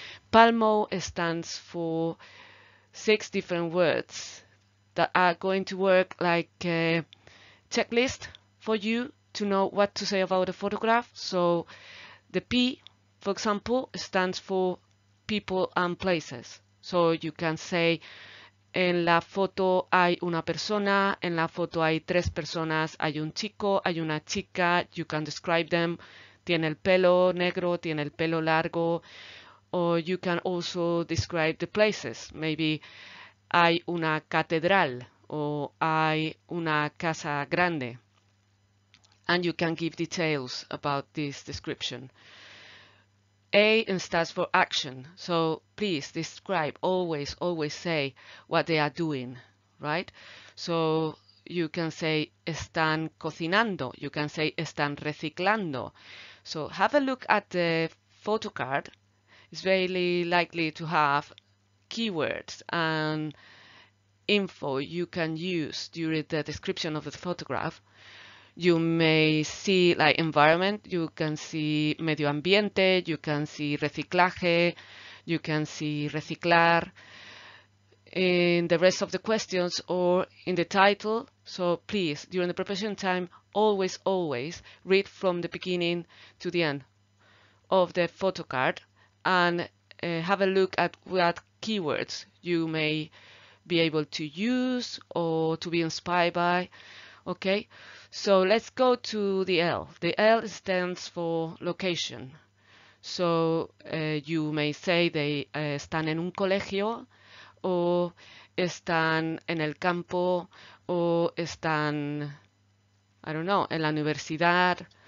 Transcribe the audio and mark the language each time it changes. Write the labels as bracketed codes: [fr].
[en] PALMO stands for six different words that are going to work like a checklist for you to know what to say about the photograph. So the P, for example, stands for people and places. So you can say, [es] en la foto hay una persona, en la foto hay tres personas, hay un chico, hay una chica. [en] You can describe them. [es] Tiene el pelo negro, tiene el pelo largo. [en] Or you can also describe the places. Maybe [es] hay una catedral, [en] or [es] hay una casa grande. [en] And you can give details about this description. A stands for action. So please describe, always say what they are doing, right? So you can say, [es] están cocinando. [en] You can say, [es] están reciclando. [en] So have a look at the photocard. It's very likely to have keywords and info you can use during the description of the photograph. You may see like environment, you can see medio ambiente, you can see reciclaje, you can see reciclar in the rest of the questions or in the title. So please, during the preparation time, always read from the beginning to the end of the photocard and have a look at what keywords you may be able to use or to be inspired by. Okay, so let's go to the L. The L stands for location. So you may say they [es] están en un colegio, or están en el campo, or están, [en] I don't know, [es] en la universidad.